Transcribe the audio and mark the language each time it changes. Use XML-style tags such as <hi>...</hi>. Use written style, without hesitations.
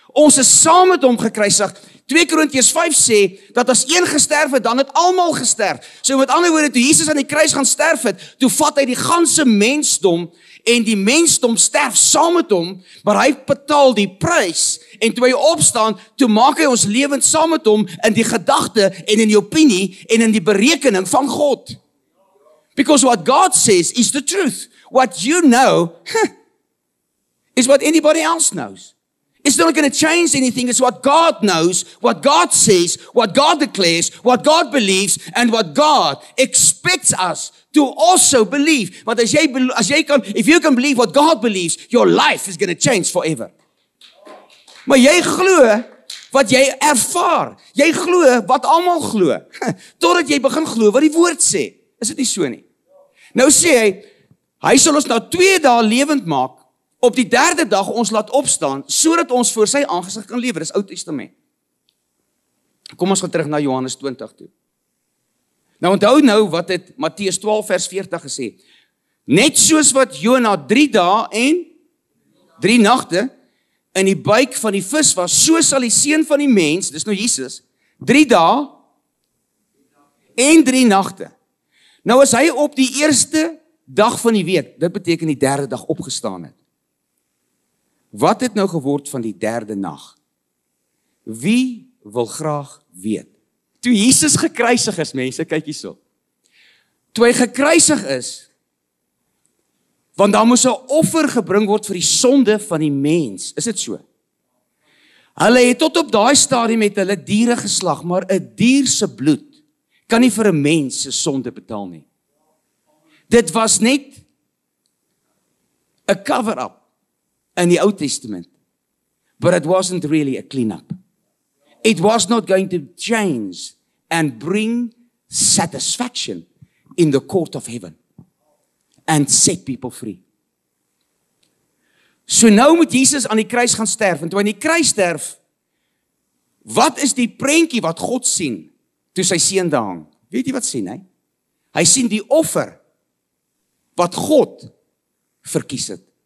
<af>Ons is saam met hom gekruisig, 2 Korintiërs 5 sê, dat as een gesterf het, dan het almal gesterf. So met ander woorde, toe Jesus aan die kruis gaan sterf het, toe vat hy die ganse mensdom, en die mensdom sterf saam met hom, maar hy betaal die prys, en toe hy opstaan, toe maak hy ons lewend saam met hom, in die gedagte, en in die opinie, en in die berekening van God.</af> <en>Because what God says is the truth. What you know, is what anybody else knows. It's not going to change anything. It's what God knows, what God says, what God declares, what God believes, and what God expects us to also believe. But if you can believe what God believes, your life is going to change forever.</en> <af>Maar jy glo wat jy ervaar. Jy glo wat almal glo. Totdat jy begin glo wat die woord sê. Is dit nie so nie? Nou sê hy, hy sal ons na 2 dae levend maak, op die derde dag ons laat opstaan, sodat ons voor sy aangesig kan lewe. Dis Oud Testament. Kom ons gaan terug na Johannes 20 toe. Nou onthou nou wat het Matteus 12 vers 40 gesê. Net soos wat Jona 3 dae en 3 nagte in die buik van die vis was, so sal die seun van die mens, dis nou Jesus, 3 dae en 3 nagte. Nou as hy op die eerste dag van die week, dit beteken die derde dag opgestaan het. Wat het nou geword van die derde nag? Wie wil graag weet? Toe Jesus gekruisig is, mense, kyk hierso. Toe hy gekruisig is, want daar moes 'n offer gebring word vir die sonde van die mens. Is dit so? Hulle het tot op daai stadium met hulle diere geslag, maar 'n dier se bloed kan nie vir 'n mens se sonde betaal nie. Dit was net 'n cover-up in die Ou Testament.</af> <en>But it wasn't really a clean-up. It was not going to change and bring satisfaction in the court of heaven and set people free.</en> <af>So nou moet Jesus aan die kruis gaan sterf, en toe hy aan die kruis sterf, wat is die prentjie wat God sien, toe sy seun daar hang? Weet jy wat sien hy? Hy sien die offer, wat God verkies het.</af>